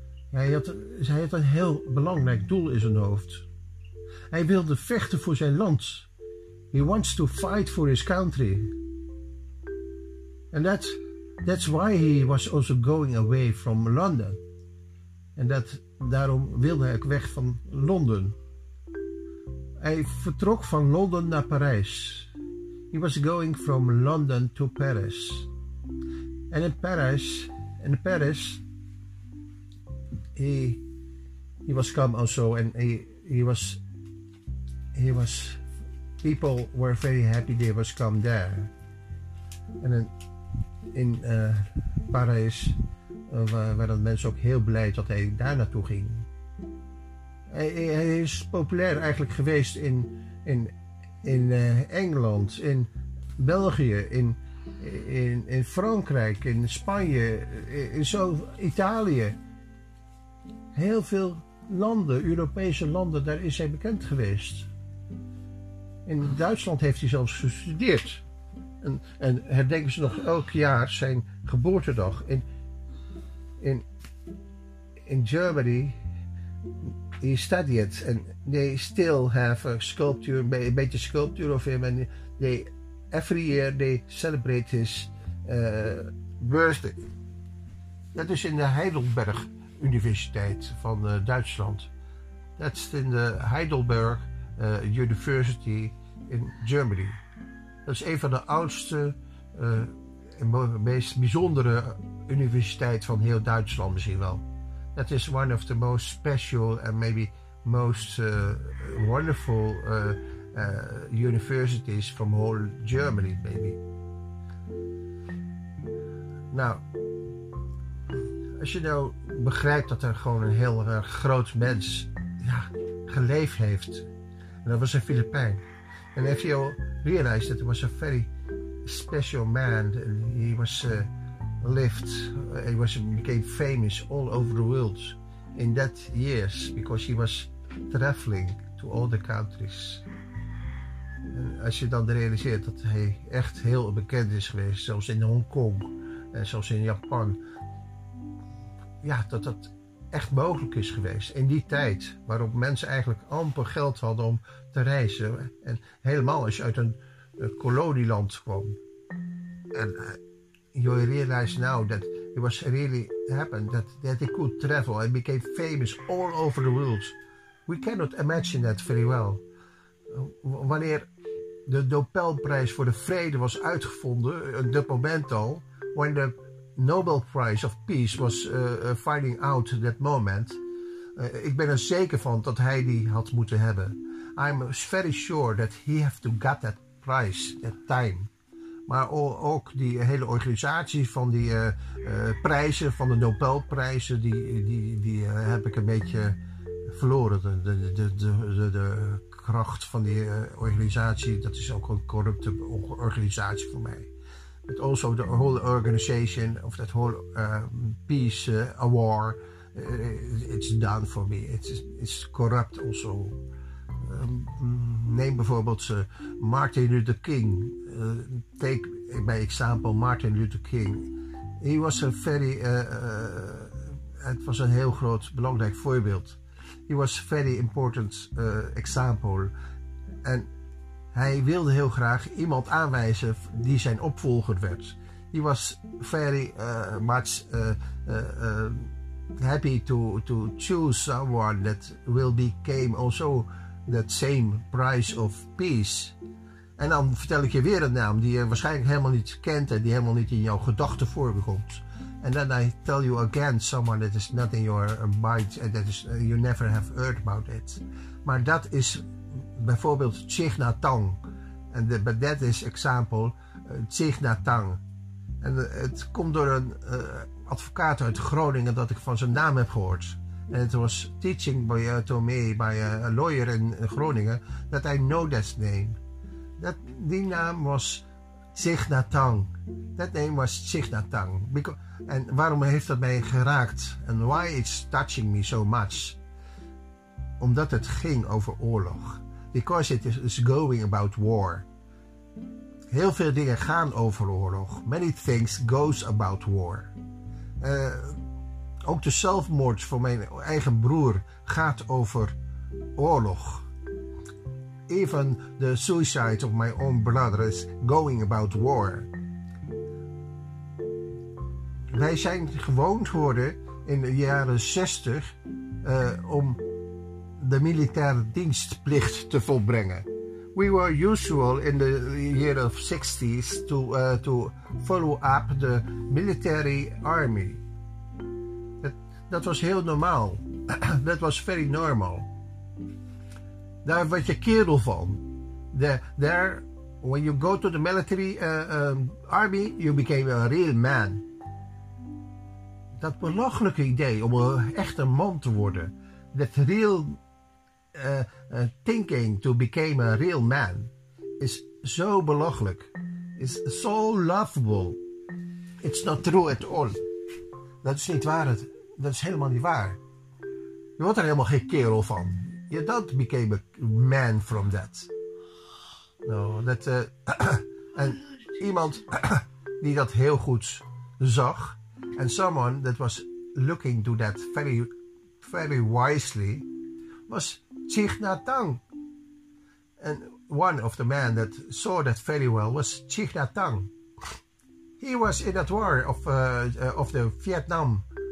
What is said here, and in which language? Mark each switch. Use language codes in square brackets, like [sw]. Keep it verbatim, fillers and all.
[nl] Hij had, hij had een heel belangrijk doel in zijn hoofd. Hij wilde vechten voor zijn land. [en] He wants to fight for his country. And that's, that's why he was also going away from London. [nl] En dat, daarom wilde hij ook weg van Londen. Hij vertrok van Londen naar Parijs. [en] He was going from London to Paris. En in Paris, in Paris, he, he was come also, and he, he was, he was, people were very happy they was come there. [nl] En in, in uh, Parijs uh, waren mensen ook heel blij dat hij daar naartoe ging. Hij, hij is populair eigenlijk geweest in, in, in uh, Engeland, in België, in In, in Frankrijk, in Spanje, in, in zo, Italië. Heel veel landen, Europese landen, daar is hij bekend geweest. In Duitsland heeft hij zelfs gestudeerd. En, en herdenken ze nog elk jaar zijn geboortedag. [en] In, in, in Germany, he studied and they still have a sculpture, [nl] een beetje [en] sculpture of him, and they every year they celebrate his uh, birthday. [nl] Dat is in de Heidelberg Universiteit van uh, Duitsland. [en] That's in the Heidelberg uh, University in Germany. [nl] Dat is een van de oudste uh, en meest bijzondere universiteit van heel Duitsland misschien wel. [en] That is one of the most special and maybe most uh, wonderful uh, Uh, universities from whole Germany, maybe. [nl] Nou, als je nou begrijpt dat er gewoon een heel erg groot mens ja, geleefd heeft. En dat was een Filipijn. [en] And if you realize that it was a very special man, he was uh, lived, he was became famous all over the world in that years because he was traveling to all the countries. [nl] En als je dan realiseert dat hij echt heel bekend is geweest, zelfs in Hongkong en zelfs in Japan. Ja, dat dat echt mogelijk is geweest. In die tijd waarop mensen eigenlijk amper geld hadden om te reizen. En helemaal als je uit een, een kolonieland kwam. [en] En uh, you realize now that it was really happened, that, that they could travel and became famous all over the world. We cannot imagine that very well. [nl] Wanneer de Nobelprijs voor de Vrede was uitgevonden, op dat moment al, [en] when the Nobel Prize of Peace was uh, finding out at that moment, [nl] uh, ik ben er zeker van dat hij die had moeten hebben. [en] I'm very sure that he have to get that prize at time. [nl] Maar ook die hele organisatie van die uh, uh, prijzen, van de Nobelprijzen, die, die, die uh, heb ik een beetje verloren. De, de, de, de, de kracht van die uh, organisatie. Dat is ook een corrupte organisatie voor mij. [en] But also the whole organization of that whole uh, peace uh, award, uh, it's done for me. It's, it's corrupt also. [nl] Um, neem bijvoorbeeld uh, Martin Luther King. [en] Uh, take by example Martin Luther King. He was a very, [nl] uh, uh, het was een heel groot belangrijk voorbeeld. [en] He was a very important uh, example. [nl] En hij wilde heel graag iemand aanwijzen die zijn opvolger werd. [en] He was very uh, much uh, uh, uh, happy to, to choose someone that will become also that same prize of peace. [nl] En dan vertel ik je weer een naam die je waarschijnlijk helemaal niet kent en die helemaal niet in jouw gedachten voorkomt. [en] And then I tell you again someone that is not in your mind and that is, uh, you never have heard about it. [nl] Maar dat is bijvoorbeeld Thich Nhat Hanh. [en] And but that is example uh, Thich Nhat Hanh. [nl] En uh, het komt door een uh, advocaat uit Groningen dat ik van zijn naam heb gehoord. [en] And it was teaching by, uh, to me by a, a lawyer in Groningen that I know that name. That, [nl] die naam was Thich Nhat Hanh. [en] That name was Thich Nhat Hanh. Because, [nl] en waarom heeft dat mij geraakt? [en] And why it's touching me so much? [nl] Omdat het ging over oorlog. [en] Because it is going about war. [nl] Heel veel dingen gaan over oorlog. [en] Many things goes about war. [nl] Uh, ook de zelfmoord van mijn eigen broer gaat over oorlog. [en] Even the suicide of my own brother is going about war. [nl] Wij zijn gewoond geworden in de jaren zestig uh, om de militaire dienstplicht te volbrengen. [en] We were usual in the year of sixties to, uh, to follow up the military army. [nl] Dat was heel normaal. Dat was [en] very normal. [nl] Daar werd je kerel van. [en] There, there, when you go to the military uh, um, army, you became a real man. [nl] Dat belachelijke idee om een, echt een man te worden. [en] That real uh, uh, thinking to become a real man [nl] is zo belachelijk. [en] Is so laughable. It's not true at all. [nl] Dat is niet waar. Het, dat is helemaal niet waar. Je wordt er helemaal geen kerel van. [en] You don't became a man from that. [nl] No, dat, uh, en iemand die dat heel goed zag. [en] And someone that was looking to that very, very wisely was Thich Nhat Hanh. And one of the men that saw that very well was Thich Nhat Hanh. He was in that war of, uh, of the Vietnam.